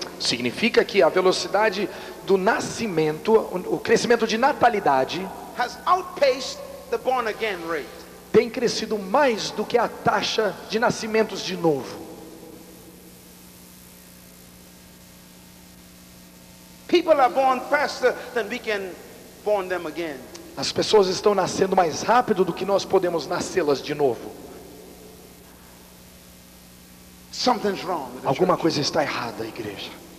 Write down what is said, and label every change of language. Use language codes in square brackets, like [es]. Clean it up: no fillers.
[pt] significa que a velocidade do nascimento, o crescimento de natalidade, [en] has outpaced the born again rate. [pt] Tem crescido mais do que a taxa de nascimentos de novo. [en] People are born faster than we can born them again. [pt] As pessoas estão nascendo mais rápido do que nós podemos nascê-las de novo. [en] Something's wrong. [pt] Alguma coisa está errada, igreja.